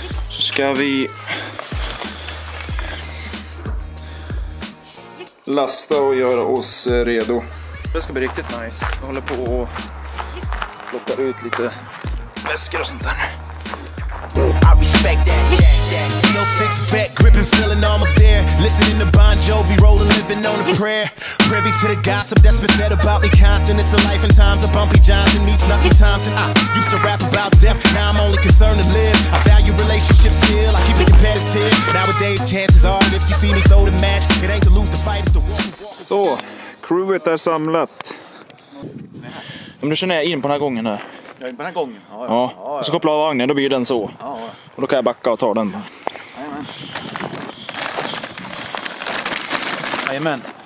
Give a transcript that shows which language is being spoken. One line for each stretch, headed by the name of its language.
Swedish: Så ska vi lasta och göra oss redo. Det ska bli riktigt nice. Jag håller på att plocka ut lite väskor och sånt där nu.
English: I respect that. Yeah, yeah. CO6 effect, gripping, feeling almost there. Listening to Bon Jovi, rolling, living on a prayer. Privy to the gossip that's been said about me constant. It's the life and times of Bumpy Johnson meets Lucky Thompson. I used to rap about death, now I'm only concerned to live. I value relationships still, I keep it competitive. Nowadays, chances are, if you see me throw the match, it ain't to lose the fight, it's the one.
Swedish: Så, crewet är samlat. Men nu känner jag in på den här gången här. Den här gången. Ja, ja. Ja, ja. Så koppla av vagnen, då blir den så. Ja, ja. Och då kan jag backa och ta den. Amen.